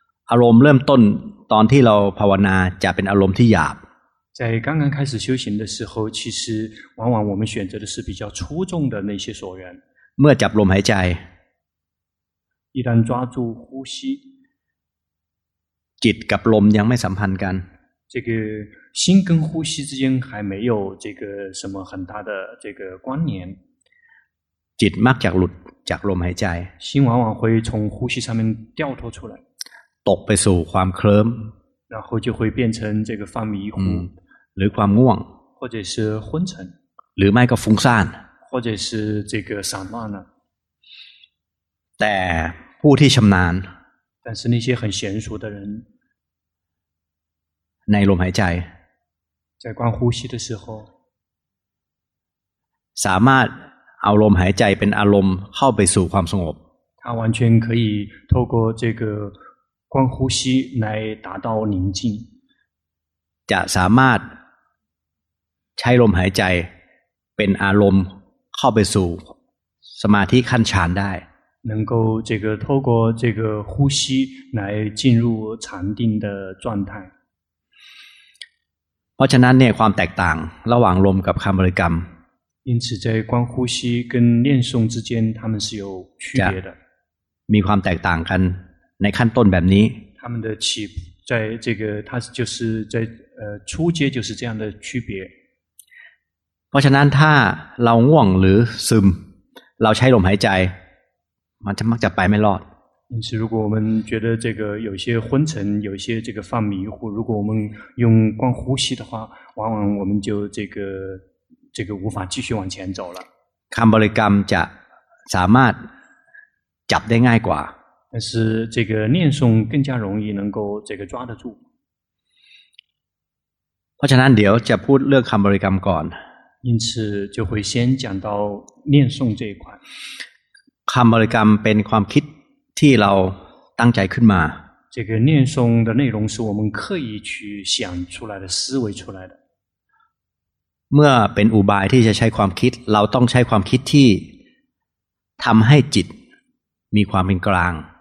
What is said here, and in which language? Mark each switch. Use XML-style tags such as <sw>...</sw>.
<th>อารมณ์เริ่มต้นตอนที่เราภาวนาจะเป็นอารมณ์ที่หยาบ</th> <zh>在刚刚开始修行的时候，其实往往我们选择的是比较粗重的那些所缘。</zh> <th>เมื่อจับลมหายใจ</th> <zh>一旦抓住呼吸。</zh> <th>จิตกับลมยังไม่สัมพันธ์กัน</th> <zh>这个心跟呼吸之间还没有这个什么很大的这个关联</zh> <th>จิตมักจะหลุดจากลมหายใจ</th> <zh>心往往会从呼吸上面掉脱出来</zh> <th>ตกไปสู่ความเคลิ้ม</th> <zh>然后就会变成这个犯迷糊</zh> <th>หรือความง่วง</th> <zh>或者是昏沉</zh> <th>หรือไม่ก็ฟุ้งซ่าน</th> <zh>或者是这个散乱了</zh> <th>แต่ผู้ที่ชำนาญ</th> <zh>但是那些很娴熟的人</zh> <th>ในลมหายใจ</th> <zh>在观呼吸的时候</zh> <th>สามารถเอาลมหายใจเป็นอารมณ์เข้าไปสู่ความสงบ</th> <zh>他完全可以透过这个观呼吸来达到宁静</zh> <th>จะสามารถใช้ลมหายใจเป็นอารมณ์เข้าไปสู่สมาธิขั้นฌานได้</th> <zh>能够这个透过这个呼吸来进入禅定的状态。</zh> <th>เพราะฉะนั้นเนี่ยความแตกต่างระหว่างลมกับคำบริกรรม</th> <zh>因此在观呼吸跟念诵之间他们是有区别的</zh> <th>มีความแตกต่างกันในขั้นต้นแบบนี้</th> <zh>他们的起在这个他就是在初阶就是这样的区别</zh> <th>เพราะฉะนั้นถ้าเราง่วงหรือซึมเราใช้ลมหายใจมันจะมักจะไปไม่รอด</th> <zh>因此如果我们觉得这个有些昏沉有些这个犯迷糊如果我们用观呼吸的话往往我们就这个无法继续往前走了</zh> <th>คำบริกรรมจะสามารถจับได้ง่ายกว่า</th> <zh>但是这个念诵更加容易能够这个抓得住</zh> <th>เพราะฉะนั้นเดี๋ยวจะพูดเรื่องคำบริกรรมก่อน</th> <zh>因此就会先讲到念诵这一块</zh> <th>คำบริกรรมเป็นความคิดที่เราตั้งใจขึ้นมา</th> <zh>这个念诵的内容是我们刻意去想出来的思维出来的</zh> <th>เมื่อเป็นอุบายที่จะใช้ความคิดเราต้องใช้ความคิดที่ทำให้จิตมีความเป็นกลาง</th>